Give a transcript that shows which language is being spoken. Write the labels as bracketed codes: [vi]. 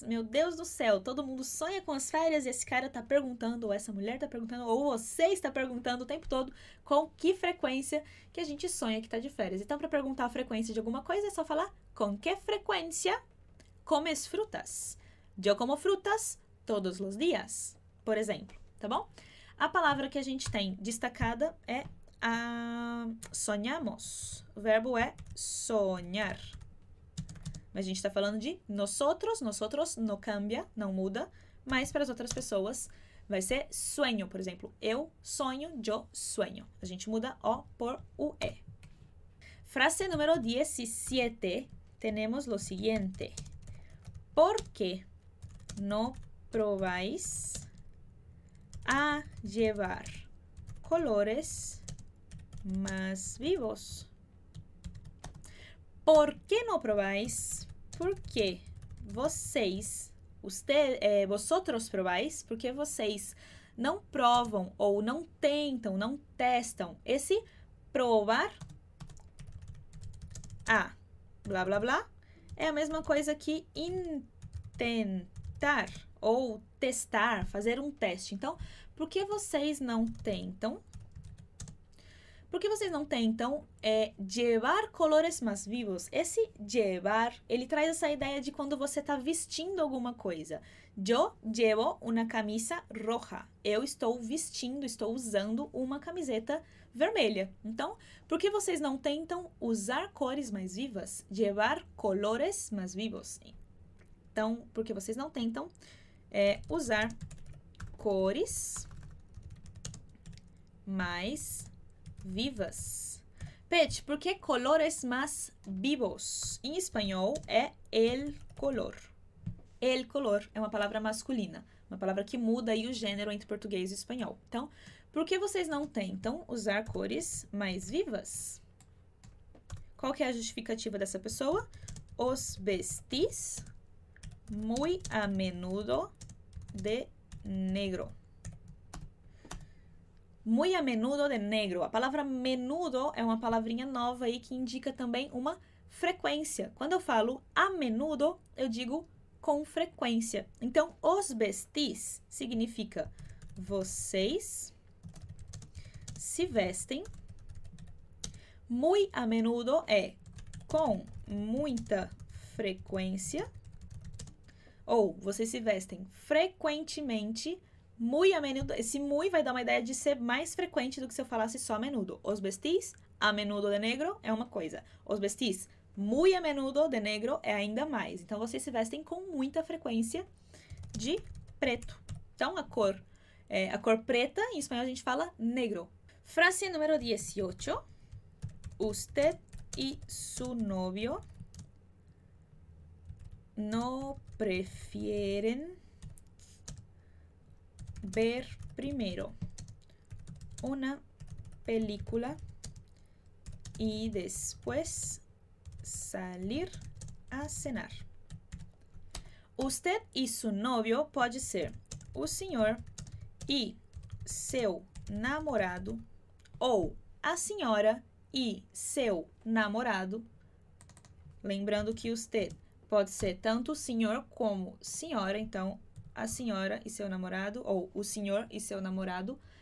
[pt] Meu Deus do céu, todo mundo sonha com as férias e esse cara tá perguntando, ou essa mulher tá perguntando, ou você está perguntando o tempo todo com que frequência que a gente sonha que tá de férias. Então, pra perguntar a frequência de alguma coisa, é só falar com que frequência [es] comes frutas. Yo como frutas todos los días, [pt] por exemplo, tá bom? A palavra que a gente tem destacada é sonhamos. O verbo é sonhar. Mas a gente está falando de [es] nosotros. Nosotros [pt] não cambia, não muda. Mas para as outras pessoas vai ser [es] sueño, [pt] por exemplo. Eu sonho, [es] yo sueño. [pt] A gente muda O por UE. Frase número 17. Temos o seguinte. [es] Por que no probáis a llevar colores más vivos? ¿Por qué no probáis? ¿Por qué [pt] vocês, [es] vosotros probáis? [pt] ¿Por qué vocês não provam ou não tentam, não testam esse probar a blá blá blá? É a mesma coisa que intentar ou testar, fazer um teste. Então, por que vocês não tentam? Por que vocês não tentam [es] llevar colores [pt] mais vivos? Esse llevar, ele traz essa ideia de quando você está vestindo alguma coisa. [es] Yo llevo una camisa roja. [pt] Eu estou vestindo, estou usando uma camiseta vermelha. Então, por que vocês não tentam usar cores mais vivas? [es] Llevar colores [pt] mais vivos. Então, por que vocês não tentam usar cores mais vivas? [es] Pete, por que colores más vivos? [pt] Em espanhol é [es] el color. El color [pt] é uma palavra masculina, uma palavra que muda aí o gênero entre português e espanhol. Então, por que vocês não tentam usar cores mais vivas? Qual que é a justificativa dessa pessoa? [es] Os vestis muy a menudo de negro. Muy a menudo de negro. [pt] A palavra menudo é uma palavrinha nova aí que indica também uma frequência. Quando eu falo [es] a menudo, [pt] eu digo com frequência. Então, [es] os vestis [pt] significa vocês se vestem. [es] Muy a menudo [pt] é com muita frequência. Ou vocês se vestem frequentemente. [es] Muy a menudo, [pt] esse muy vai dar uma ideia de ser mais frequente do que se eu falasse só [es] a menudo. Os vestis, a menudo de negro, [pt] é uma coisa. [es] Os vestis, muy a menudo de negro, [pt] é ainda mais. Então, vocês se vestem com muita frequência de preto. Então, a cor preta, em espanhol a gente fala negro. Frase número 18. [es] Usted y su novio no prefieren ver primero una película y después salir a cenar. Usted y su novio, [pt] pode ser o senhor e seu namorado, ou a senhora e seu namorado. Lembrando que usted pode ser tanto o senhor como senhora, então a senhora e seu namorado, ou o senhor e seu namorado.